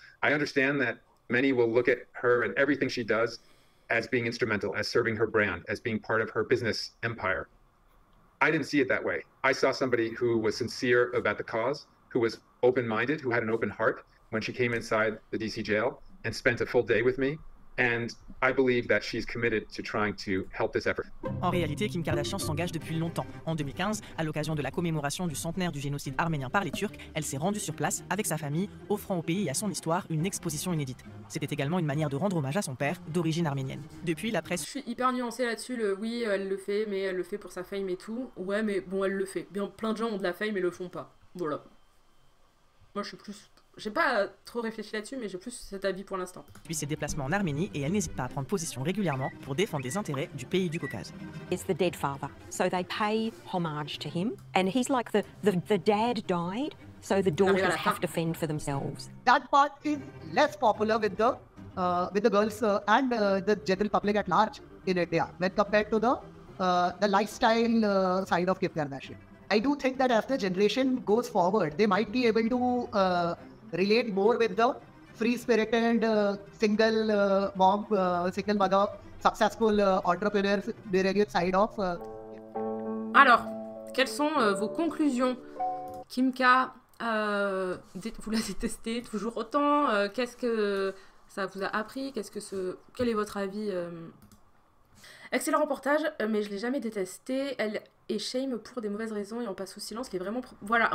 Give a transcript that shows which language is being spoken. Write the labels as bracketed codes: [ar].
[en] I understand that many will look at her and everything she does as being instrumental, as serving her brand, as being part of her business empire. I didn't see it that way. I saw somebody who was sincere about the cause, who was open-minded, who had an open heart when she came inside the DC jail and spent a full day with me. And I believe that she's committed to trying to help this effort. [fr] En réalité, Kim Kardashian s'engage depuis longtemps. En 2015, à l'occasion de la commémoration du centenaire du génocide arménien par les Turcs, elle s'est rendue sur place avec sa famille, offrant au pays et à son histoire une exposition inédite. C'était également une manière de rendre hommage à son père, d'origine arménienne. Depuis, la presse... Je suis hyper nuancée là-dessus, elle le fait, mais elle le fait pour sa fame et tout. Ouais, mais bon, elle le fait. Bien, plein de gens ont de la fame et le font pas. Voilà. Moi, je suis plus... J'ai pas trop réfléchi là-dessus, mais j'ai plus cet avis pour l'instant. Puis ses déplacements en Arménie, et elle n'hésite pas à prendre position régulièrement pour défendre les intérêts du pays du Caucase. [en] It's the dead father, so they pay homage to him, and he's like the dad died, so the daughters have to fend for themselves. That part is less popular with the girls and the general public at large in India when compared to the lifestyle side of Kim Kardashian. I do think that as the generation goes forward, they might be able to relate more with the free-spirited, single mother, successful entrepreneur, various side of. [fr] Alors, quelles sont vos conclusions, Kim K, vous la détestez toujours autant. Qu'est-ce que ça vous a appris? Quel est votre avis? Excellent reportage, mais je l'ai jamais détesté. Elle est shame pour des mauvaises raisons et on passe au silence. Qui est vraiment voilà.